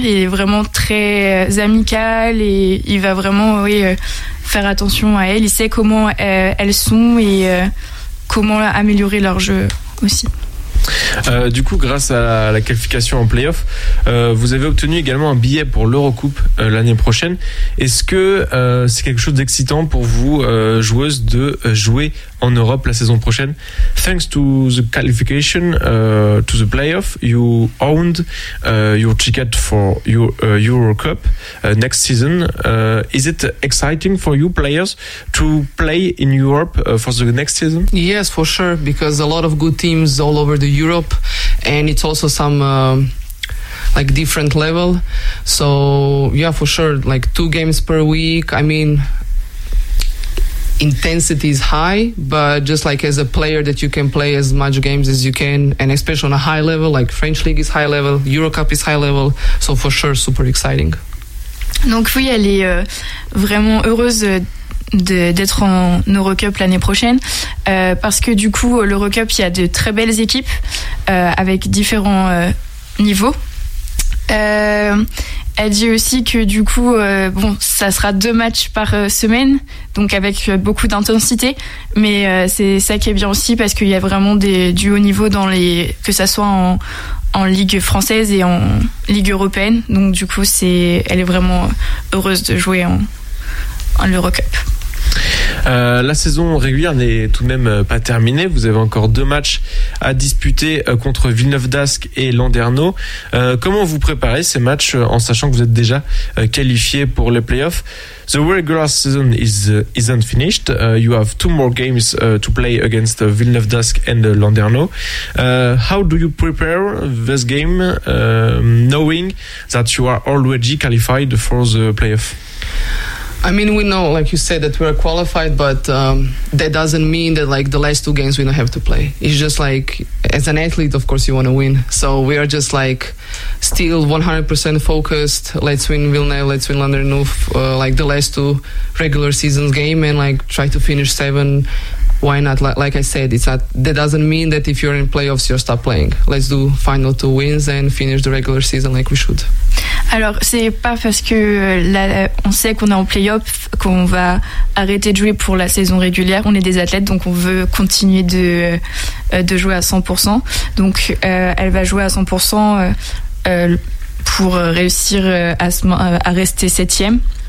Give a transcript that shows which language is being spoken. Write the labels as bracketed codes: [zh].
[fr] Il est vraiment très amical, et il va vraiment faire attention à elle. Il sait comment elles sont, et comment améliorer leur jeu aussi. Du coup, grâce à la qualification en play-off, vous avez obtenu également un billet pour l'Eurocoupe l'année prochaine. Est-ce que c'est quelque chose d'excitant pour vous, joueuses, de jouer en Europe la saison prochaine? [en] Thanks to the qualification to the play-off, you owned your ticket for your Eurocup next season. Is it exciting for you players to play in Europe for the next season? Yes, for sure, because a lot of good teams all over the Europe, and it's also some like different level. So yeah, for sure, like two games per week, I mean, intensity is high, but just like as a player, that you can play as much games as you can, and especially on a high level, like French league is high level, Euro Cup is high level, so for sure super exciting. [fr] Donc oui, elle est vraiment heureuse d'être en Eurocup l'année prochaine, parce que du coup l'Eurocup, il y a de très belles équipes avec différents niveaux. Elle dit aussi que du coup bon, ça sera deux matchs par semaine, donc avec beaucoup d'intensité, mais c'est ça qui est bien aussi, parce qu'il y a vraiment du haut niveau dans les, que ça soit en Ligue française et en Ligue européenne. Donc du coup elle est vraiment heureuse de jouer en Eurocup. La saison régulière n'est tout de même pas terminée. Vous avez encore deux matchs à disputer contre Villeneuve-d'Ascq et Landerneau. Comment vous préparez ces matchs en sachant que vous êtes déjà qualifié pour les playoffs? [en] The regular season isn't finished. You have two more games to play against Villeneuve-d'Ascq and Landerneau. How do you prepare this game, knowing that you are already qualified for the playoffs? I mean, we know, like you said, that we are qualified, but that doesn't mean that like the last two games we don't have to play. It's just like, as an athlete, of course, you want to win. So we are just like still 100% focused. Let's win Villeneuve, let's win Landerneau, like the last two regular season game, and like try to finish seven. Why not? Like I said, it's not, that doesn't mean that if you're in playoffs, you'll stop playing. Let's do final two wins and finish the regular season like we should. [fr] Alors, c'est pas parce que là, on sait qu'on est en play-off qu'on va arrêter de jouer pour la saison régulière. On est des athlètes, donc on veut continuer de jouer à 100%. Donc, elle va jouer à 100% pour réussir à rester septième.